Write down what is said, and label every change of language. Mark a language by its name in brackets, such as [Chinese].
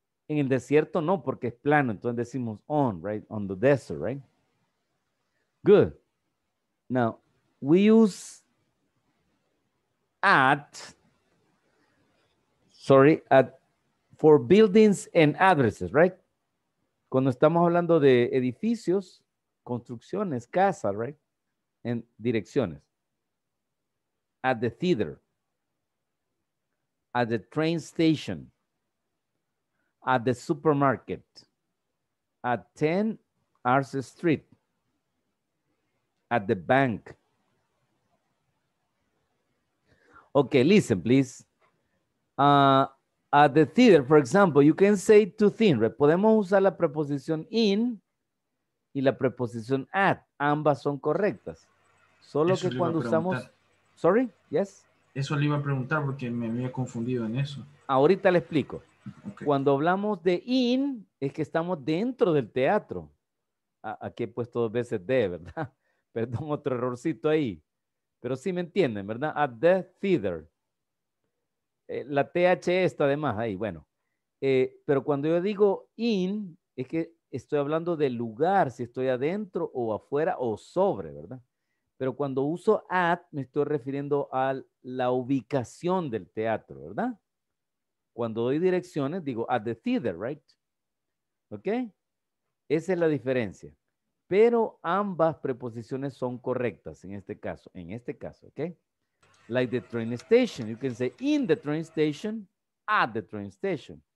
[Spanish] En el desierto, no, porque es plano. Entonces decimos on, right? [English] On the desert, right? Good. Now, we use at for buildings and addresses, right? [Spanish] Cuando estamos hablando de edificios, construcciones, casas, right? En direcciones. [English] At the theater, at the train station, at the supermarket, at 10 Arce Street, at the bank. Okay, listen, please. At the theater, for example, you can say two things. Right? [Spanish] Podemos usar la preposición in y la preposición at. Ambas son correctas. Solo que cuando usamos... [English] Sorry, yes. [Spanish] Eso le iba a preguntar porque me había confundido en eso. Ahorita le explico. Okay. Cuando hablamos de in, es que estamos dentro del teatro. Aquí he puesto dos veces de, ¿verdad? Perdón, otro errorcito ahí. Pero sí me entienden, ¿verdad? [English] At the theater. [Spanish] la TH está además ahí, bueno. Pero cuando yo digo in, es que estoy hablando del lugar, si estoy adentro o afuera o sobre, ¿verdad? Pero cuando uso at, me estoy refiriendo a la ubicación del teatro, ¿verdad? Cuando doy direcciones, digo [English] at the theater, right? [Spanish] ¿Ok? Esa es la diferencia. Pero ambas preposiciones son correctas en este caso, ¿ok? [English] Like the train station, you can say in the train station, at the train station.